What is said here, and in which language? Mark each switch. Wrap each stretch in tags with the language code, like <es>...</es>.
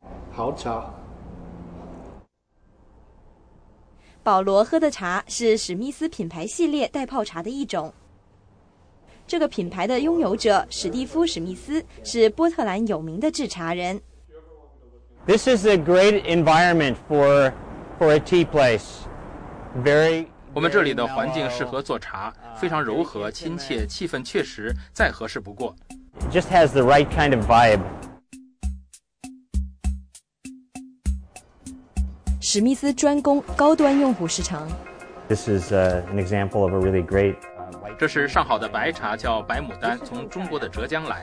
<zh>好茶。保罗喝的茶是史密斯品牌系列袋泡茶的一种。这个品牌的拥有者史蒂夫·史密斯是波特兰有名的制茶人。</zh> <en>This is a great environment for a tea place. Very.</en> <zh>我们这里的环境适合做茶，非常柔和亲切，气氛确实再合适不过。</zh> <en>Just has the right kind of vibe.</en> <zh>史密斯专攻高端用户市场。</zh> <en>This is an example of a really great.</en> <zh>这是上好的白茶，叫白牡丹，从中国的浙江来。</zh>